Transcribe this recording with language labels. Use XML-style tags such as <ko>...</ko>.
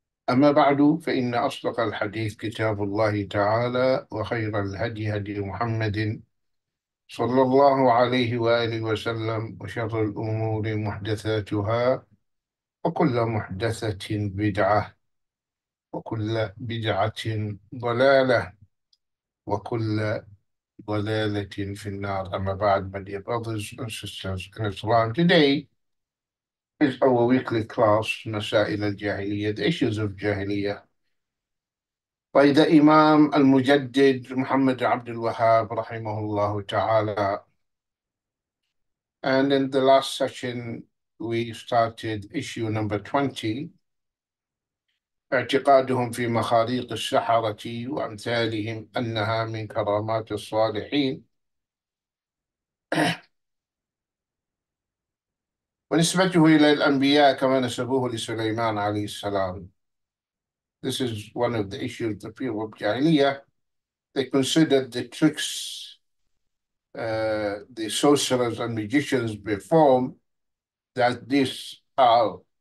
<ar>أما بعد، فإن أصدق الحديث كتاب الله تعالى، وخير الهدي هدي محمد صلى الله عليه وآله وسلم، وشر الأمور محدثاتها، وكل محدثة بدعة، وكل بدعة ضلالة، وكل ضلالة في النار.</ar> <en>أما بعد، my dear brothers and sisters in Islam, today is our weekly class,</en> <ar>مسائل الجاهلية,</ar> <en>the issues of Jahiliyyah, by the Imam al-Mujaddid Muhammad عبد الوهاب</en> <ar>رحمه الله تعالى.</ar> <en>And in the last session, we started issue number 20,</en> <ar>اعتقادهم في مخاريق السحرة وأمثالهم أنها من كرامات الصالحين. ونسبته إلى الأنبياء كما نسبوه لسليمان عليه السلام.</ar> <en>This is one of the issues of the people of Jahiliyyah. They considered the tricks the sorcerers and magicians perform that these are</en>